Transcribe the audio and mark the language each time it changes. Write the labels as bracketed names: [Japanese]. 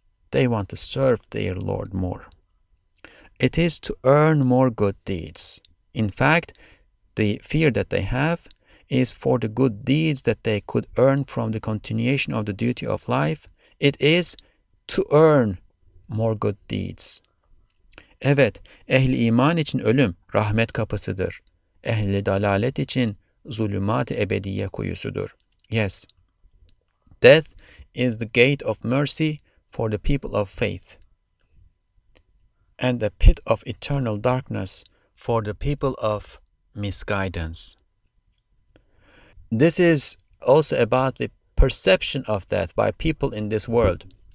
[English] They want to serve their Lord more. It is to earn more good deeds. In fact, the fear that they have is for the good deeds that they could earn from the continuation of the duty of life. It is to earn more good deeds. [Turkish] Evet, ehli iman için ölüm rahmet kapısıdır. Ehli dalalet için zulümat-ı ebediyye kuyusudur. [English] Yes, death is the gate of mercy for the people of faith, and the pit of eternal darkness for the people of misguidance. This is also about the perception of death by people in this world.